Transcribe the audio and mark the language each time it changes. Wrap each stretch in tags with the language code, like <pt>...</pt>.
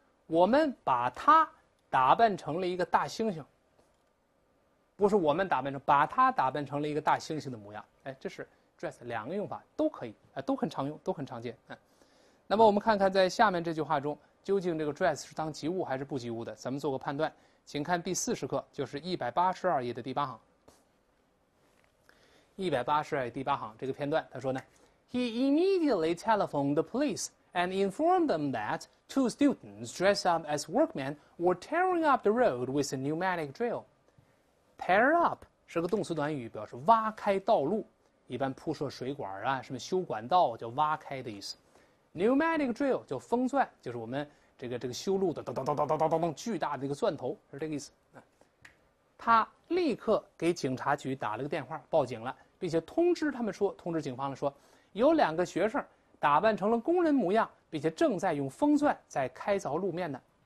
<zh>我们把他打扮成了一个大猩猩，不是我们打扮成，把他打扮成了一个大猩猩的模样。哎，这是 dress 两个用法都可以，都很常用，都很常见。那么我们看看在下面这句话中，究竟这个 dress 是当及物还是不及物的，咱们做个判断。请看第40课，就是182页的第8行。 182页第八行这个片段，他说呢</zh> <en>，He immediately telephoned the police and informed them that two students dressed up as workmen were tearing up the road with a pneumatic drill.</en> <zh>Tear up 是个动词短语，表示挖开道路，一般铺设水管啊，什么修管道叫挖开的意思。 Pneumatic drill 叫风钻，就是我们这个修路的咚咚咚咚咚咚咚巨大的一个钻头，是这个意思。他立刻给警察局打了个电话，报警了，并且通知他们说，通知警方了说，有两个学生打扮成了工人模样，并且正在用风钻在开凿路面呢。</zh>